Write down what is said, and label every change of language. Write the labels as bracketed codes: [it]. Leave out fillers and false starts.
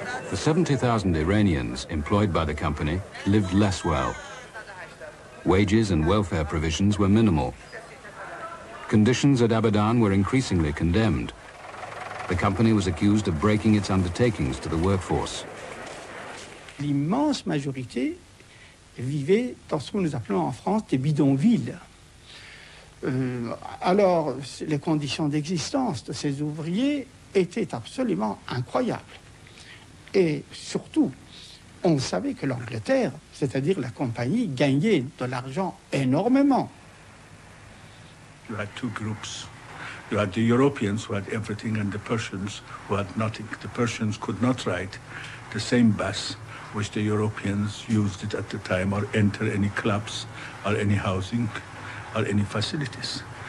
[en] The 70,000 Iranians employed by the company lived less well. Wages and welfare provisions were minimal. Conditions at Abadan were increasingly condemned. The company was accused of breaking its undertakings to the workforce. [fr] L'immense majorité vivaient dans ce que nous appelons en France des bidonvilles. Alors, les conditions d'existence de ces ouvriers étaient absolument incroyables. Et surtout, on savait que l'Angleterre, c'est-à-dire la compagnie, gagnait de l'argent énormément. [en] You had two groups. You had the Europeans who had everything and the Persians who had nothing. The Persians could not ride the same bus which the Europeans used it at the time, or enter any clubs, or any housing, or any facilities.